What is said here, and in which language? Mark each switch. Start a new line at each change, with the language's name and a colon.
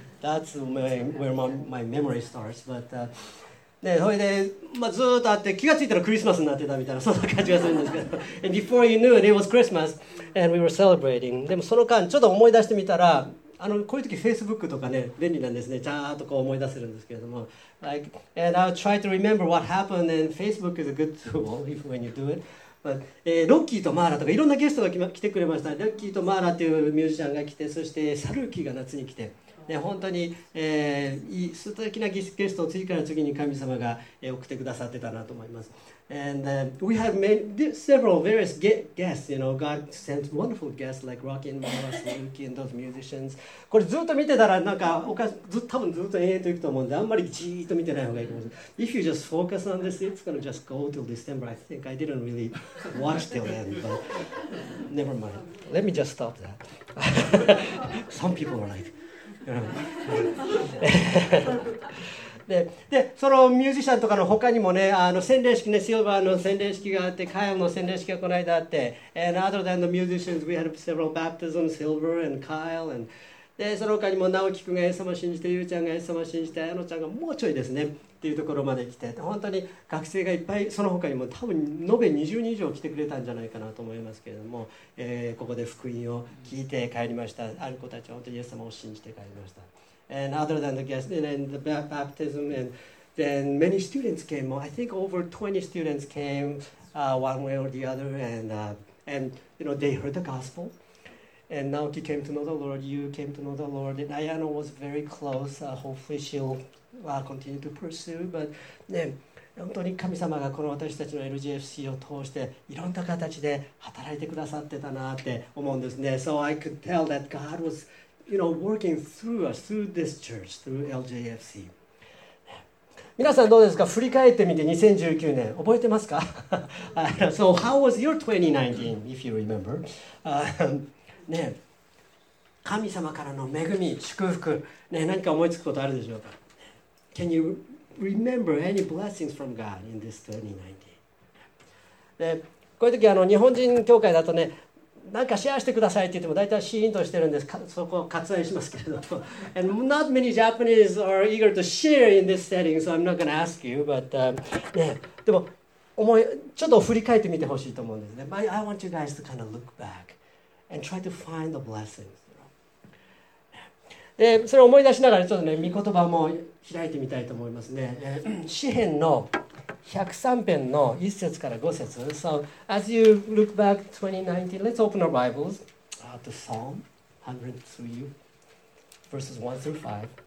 English: That's where my memory starts. But、
Japanese: ね、それで、まあ、ずっとあって気がついたらクリスマスになってたみたいな、そんな感じがするんですけど、
English: And before you knew it, it was Christmas and we were celebrating.
Japanese: でもその間ちょっと思い出してみたら、こういう時 Facebook とかね、便利なんですね。ちゃんとこう思い出せるんですけれども。
English: Like, and I'll try to remember what happened, and Facebook is a good tool if when you do it.
Japanese: But, ロッキーとマーラとかいろんなゲストが来てくれました。ロッキーとマーラというミュージシャンが来て、そしてサルーキーが夏に来て、ね、本当に、いい素敵なゲストを次から次に神様が送ってくださってたなと思います。
English: And、we have made several various guests, you know, God sent wonderful guests like Rocky and Mara, Suzuki and those musicians.
Japanese: これずっと見てたらなんか、多分ずっと永遠と行くと思うんで、あんまりじーっと見てない方がいいと思います。
English: If you just focus on this, it's going to just go till December. I think I didn't really watch till then, but never mind. Let me just stop that. Some people are like,
Japanese: でそのミュージシャンとかの他にもね、洗礼式ね、シルバーの洗礼式があって、カヤの洗礼式がこの間あって、
English: And other than the musicians, we had several baptisms, Silver and Kyle, and
Japanese: でその他にも直樹君がイエス様を信じて、ゆうちゃんがイエス様を信じて、あのちゃんがもうちょいですねっていうところまで来て、本当に学生がいっぱい、その他にも多分延べ20人以上来てくれたんじゃないかなと思いますけれども、ここで福音を聞いて帰りました。ある子たちは本当にイエス様を信じて帰りました。
English: And other than the guests and the baptism, and then many students came. I think over 20 students came, one way or the other. And you know, they heard the gospel. And Naoki came to know the Lord. You came to know the Lord. And Ayano was very close. Hopefully, she'll continue to pursue. But then,
Japanese: 本当に神様がこの私たちの LGFC を通していろんな形で働いてくださってたなって思うんですね。
English: So I could tell that God was. You know, working through us, through this church, through LJFC.
Japanese: 皆さんどうですか？振り返ってみて2019年覚えてますか？
English: So how was your 2019, if you remember?
Japanese: ね、神様からの恵み、祝福、ね、何か思いつくことあるでしょうか？
English: Can you remember any blessings from God in this 2019?
Japanese: で、こういう時日本人教会だとね、なんかシェアしてくださいって言っても大体シーンとしてるんです、そこを割愛しますけれども。
English: And not many Japanese are eager to share in this setting, so I'm not going to ask you, but、
Japanese: ね、でも思いちょっと振り返ってみてほしいと思うんですね。
English: But I want you guys to kind of look back and try to find the blessings.
Japanese: でそれを思い出しながらちょっとね、御言葉も開いてみたいと思いますね。詩編の103編の1節から5節。
English: So as you look back 2019, let's open our Bibles to Psalm 103 verses 1 through 5.